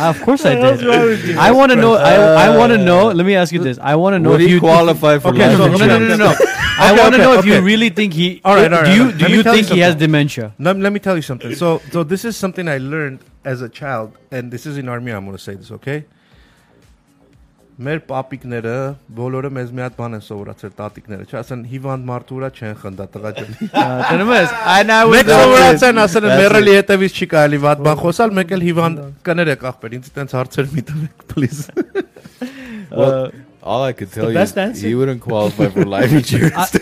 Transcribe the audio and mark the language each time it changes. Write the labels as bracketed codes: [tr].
[en] Of course I did. I want to know. I want to know. Let me ask you this. I want to know if you qualify for life insurance. No. I want to know if you really think he. All right. Do you think he has dementia? Let me tell you something. So this is something I learned as a child, and this is in Armenia. I'm going to say this, okay? [hy] Մեր պապիկները բոլորը մեզ մի հատ բան են սովորացել տատիկները չէ ասեն հիվանդ մարդու վրա չեն խնդա տղա ջան դնում ես այն սովորացան ասել են մեռելի հետևից չի կարելի վատ բան խոսալ մեկ էլ հիվանդ կներ եք ախպեր ինձ այտենց հարցեր մի տվեք պլիզ [en] all I could tell you he wouldn't qualify for life insurance